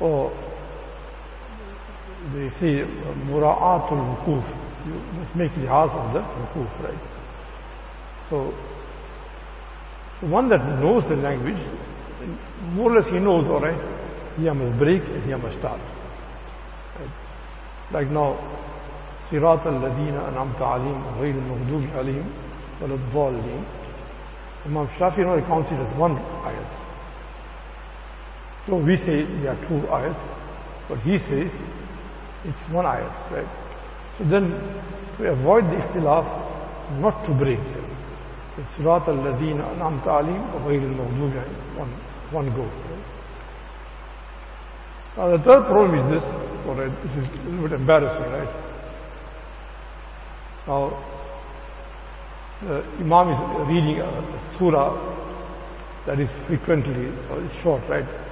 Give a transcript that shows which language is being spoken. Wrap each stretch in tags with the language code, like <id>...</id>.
<en>Or they say mura'atul wukuf, you must make lihaz of the wukuf, right? So one that knows the language, more or less he knows, all right, here I must break and here I must start. Like now,</en> <ar>صراط الذين أنعمت عليهم غير المغضوب عليهم ولا الضالين.</ar> <en>Imam Shafi only counts it as one ayat. So we say there are two ayats, but he says it's one ayat, right? So then, to avoid the ikhtilaf, not to break them.</en> <ar>صراط الذين أنعمت عليهم غير المغضوب عليهم.</ar> <en>One go. Right? Now the third problem is this, or right, this is a little bit embarrassing, right? Now, the Imam is reading a surah that is frequently, or is short, right?</en>